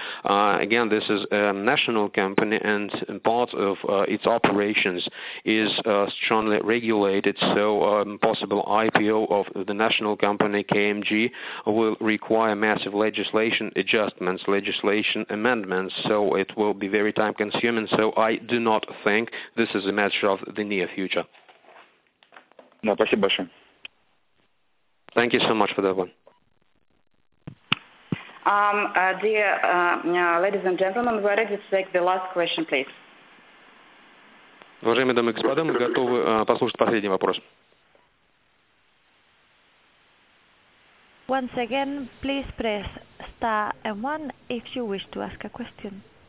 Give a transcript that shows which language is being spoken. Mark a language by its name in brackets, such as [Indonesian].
[English] Again, this is a national company, and part of its operations is strongly regulated, so possible IPO of the national company, KMG, will require massive legislation adjustments, legislation amendments, so it will be very time-consuming, so I do not think this is a matter of the near future. No, thank you very much. Thank you so much for that one. Dear ladies and gentlemen, we are ready to take the last question, please. [Russian] Уважаемые дамы и господа, мы готовы послушать последний вопрос. [English] Once again, please press star and one if you wish to ask a question.